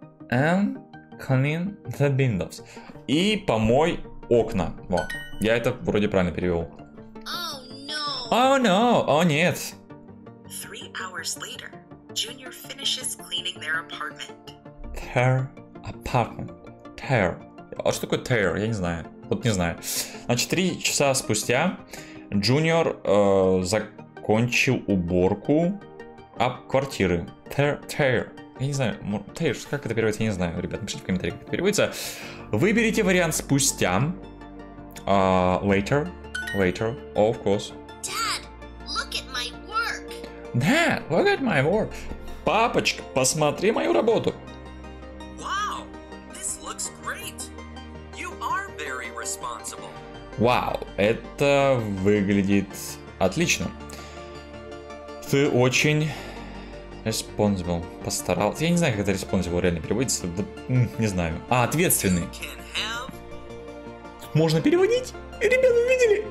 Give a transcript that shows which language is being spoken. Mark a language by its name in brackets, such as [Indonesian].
[English] And clean the windows. [Russian] И помой окна. Во, я это вроде правильно перевел. [English] Oh, [Russian] О нет. [English] Three hours later, Junior finishes cleaning their apartment. Their apartment. Tear. [Russian] А что такое tear? Я не знаю. Вот не знаю. Значит, 3 часа спустя Junior закончил уборку квартиры. [English] Tear. [Russian] Я не знаю, tear, как это переводится, я не знаю. Ребят, напишите в комментариях, как это переводится. Выберите вариант спустя. [English] Later. Later, of course. Dad, look at my work. Dad, look at my work. [Russian] Папочка, посмотри мою работу. [English] Wow, this looks great. You are very responsible. [Russian] Вау, это выглядит отлично. Ты очень responsible, постарался. Я не знаю, как это responsible реально переводится. Не знаю. А, ответственный. Можно переводить? Ребята, вы видели?